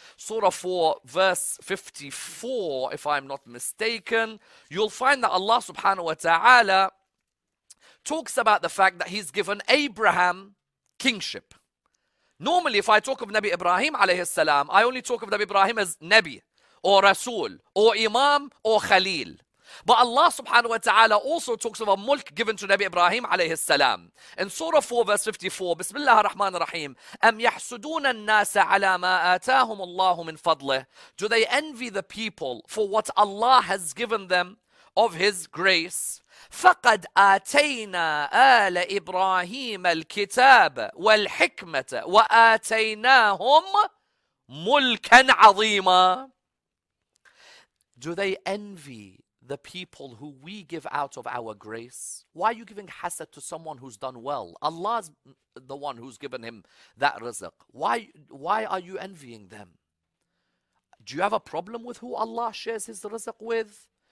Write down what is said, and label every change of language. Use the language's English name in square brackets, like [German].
[English] Surah 4, verse 54, if I'm not mistaken, you'll find that Allah subhanahu wa ta'ala talks about the fact that he's given Abraham kingship. Normally, if I talk of Nabi Ibrahim alayhi salam, I only talk of Nabi Ibrahim as Nabi, or Rasul, or Imam, or Khalil. But Allah subhanahu wa ta'ala also talks of a mulk given to Nabi Ibrahim alayhi salam. In Surah 4 verse 54, Bismillah ar-Rahman ar-Rahim, [Arabic] أَمْ يَحْسُدُونَ النَّاسَ عَلَى مَا آتَاهُمُ اللَّهُ مِنْ فَضْلِهِ. [English] Do they envy the people for what Allah has given them of His grace? [Arabic] فقد آتينا آل إبراهيم الكتاب والحكمة وآتيناهم ملكا عظيما. [English] Do they envy the people who we give out of our grace? Why are you giving hasad to someone who's done well? Allah's the one who's given him that rizq. Why are you envying them? Do you have a problem with who Allah shares his rizq with?